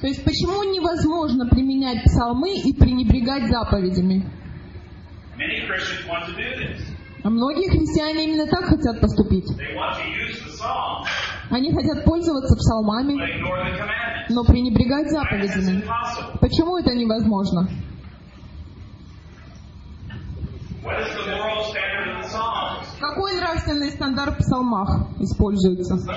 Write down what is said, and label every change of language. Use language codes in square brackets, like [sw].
[ru] То есть почему невозможно применять псалмы и пренебрегать заповедями? [en] Many Christians want to do this. [ru] А многие христиане именно так хотят поступить. [en] They want to use the psalms. [ru] Они хотят пользоваться псалмами, но пренебрегать заповедями. Почему это невозможно? [en] What is the moral standard of the psalms? [ru] Какой нравственный стандарт в псалмах используется?